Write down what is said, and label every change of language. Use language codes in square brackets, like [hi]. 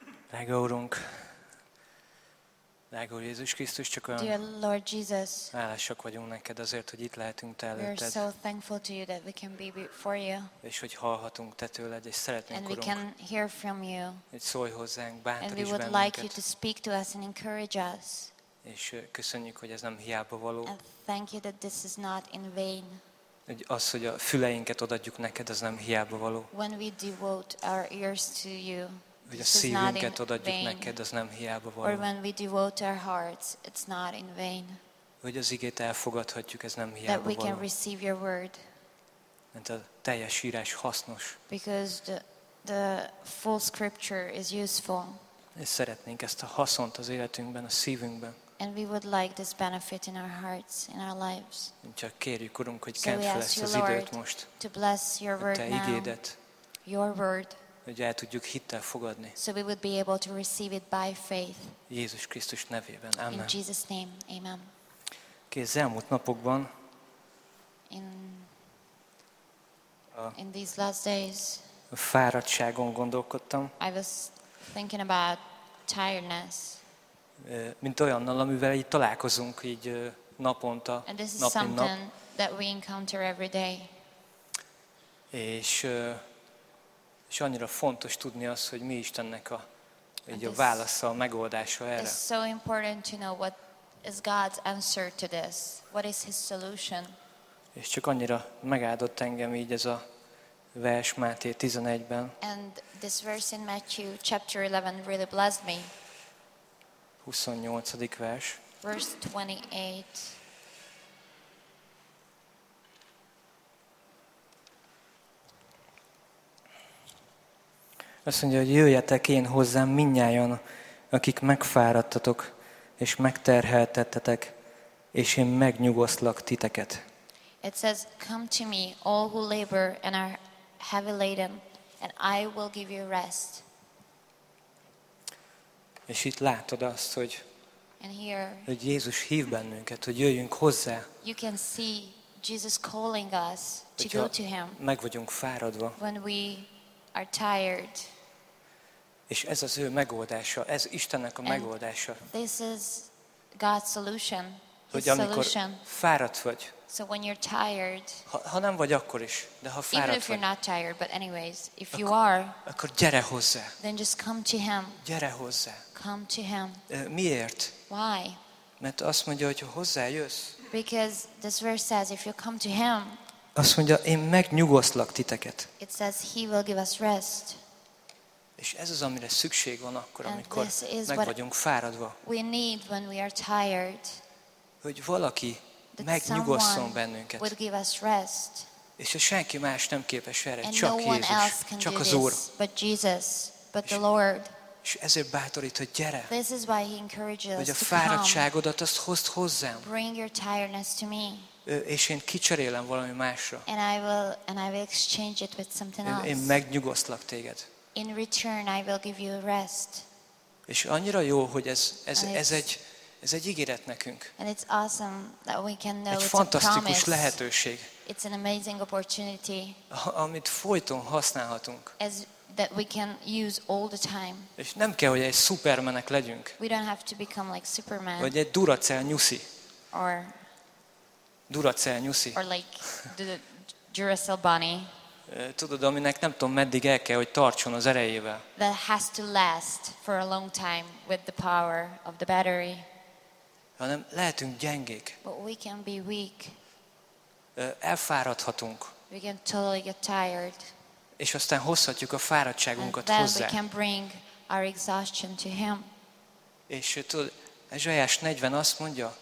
[hu] Drága Úrunk, drága Úr Jézus Krisztus, csak olyan [en] Dear Lord Jesus, [hu] hálásak vagyunk neked azért, hogy itt lehetünk te előtted. [en] We are so thankful to you that we can be before you. [hu] És hogy hallhatunk te tőled, és szeretnénk, [en] and we can hear from you. [hu] Hogy szólj hozzánk, bátoríts bennünket. [en] And we would like you to speak to us and encourage us. [hu] És köszönjük, hogy ez nem hiába való. [en] And thank you that this is not in vain. [hu] Hogy az, hogy a füleinket odaadjuk neked, az nem hiába való. [en] When we devote our ears to you, [hu] hogy a szívünket odaadjuk neked, az nem hiába való. [en] Or when we devote our hearts, it's not in vain. [hu] Hogy az igét elfogadhatjuk, ez nem hiába való. [en] That we can receive your word. [hu] Mert a teljes írás hasznos. [en] Because the full scripture is useful. [hu] És szeretnénk ezt a haszont az életünkben, a szívünkben. [en] And we would like this benefit in our hearts, in our lives. [hu] Csak kérjük, Urunk, hogy kedd fel ezt az időt most. [en] To bless your word now. [hu] Te igédet. [en] Your word. [hu] Hogy el tudjuk hittel fogadni. [en] So we would be able to receive it by faith. [hu] Jézus Krisztus nevében. [en] Amen. In Jesus' name. Amen. [hu] Az elmúlt napokban [en] in these last days [hu] a fáradtságon gondolkodtam. [en] I was thinking about tiredness. [hu] Mint olyannal, amivel így találkozunk így naponta, nap mint nap. [en] That we encounter every day. [hu] És annyira fontos tudni azt, hogy mi Istennek a válasza, a megoldása erre. [en] It's so important to know what is God's answer to this. What is his solution? [hu] És csak annyira megáldott engem így ez a vers Máté 11-ben. [en] And this verse in Matthew chapter 11 really blessed me. [hu] 28. vers. [en] Verse 28. [hu] Azt mondja, hogy jöjjetek én hozzám mindnyájan, akik megfáradtatok és megterheltettetek, és én megnyugosztlak titeket. [en] It says, come to me, all who labor and are heavy laden, and I will give you rest. [hu] És itt látod azt, hogy, [en] here, [hu] hogy Jézus hív bennünket, hogy jöjjünk hozzá. [en] You can see Jesus calling us to go to him. [hu] Meg vagyunk fáradva. [en] When we are tired. [hu] És ez az ő megoldása, ez Istennek a [en] and [hu] megoldása. [en] This is God's solution. [hu] Hogy amikor fáradt vagy. [en] So when you're tired. [hu] Ha nem vagy akkor is, de ha fáradt vagy. [en] Even if you're not tired, but anyways, if you are. [hu] Akkor gyere hozzá. [en] Then just come to him. [hu] Gyere hozzá. [en] Come to him. [hu] Miért? [en] Why? [hu] Mert azt mondja, hogy hozzájössz. [en] Because this verse says, if you come to him. [hu] Azt mondja, én megnyugosztlak titeket. [en] It says he will give us rest. [hu] És ez az, amire szükség van akkor, amikor meg vagyunk fáradva. [en] We need when we are tired. [hu] Hogy valaki megnyugosszon bennünket. [en] Would give us rest. [hu] És senki más nem képes erre, [en] and [hu] csak [en] no [hu] Jézus, [en] else can [hu] csak [en] do [hu] az [en] this, [hu] Úr. [en] But Jesus, but the Lord. [hu] És ezért bátorít, hogy gyere. [en] This is why he encourages us to come. [hu] Hogy a fáradtságodat azt hozd hozzám. [en] Bring your tiredness to me. [hu] És én kicserélem valami másra. [en] And I will exchange it with something else. [hu] Én megnyugosztlak téged. [en] In return I will give you rest. [hu] És annyira jó, hogy ez egy ígéret nekünk. [en] And it's awesome that we can know [hu] egy fantasztikus a lehetőség. [en] It's an amazing opportunity. [hu] Amit folyton használhatunk. [en] As that we can use all the time. [hu] És nem kell, hogy egy szupermenek legyünk. [en] We don't have to become like Superman. [hu] Vagy egy Duracell nyuszi. [en] Or [hu] Duracell nyuszi. [en] Or like the Duracell bunny. [hu] Tudod, aminek nem tudom meddig el kell, hogy tartson az erejével. [en] That has to last for a long time with the power of the battery. [hu] Hanem lehetünk gyengék. [en] But we can be weak. [hu] Elfáradhatunk. [en] We can totally get tired. [hu] És aztán hozhatjuk a fáradtságunkat [en] and then [hu] hozzá. [en] We can bring our exhaustion to him. [hu] És tudod, Ezsaiás 40 azt mondja,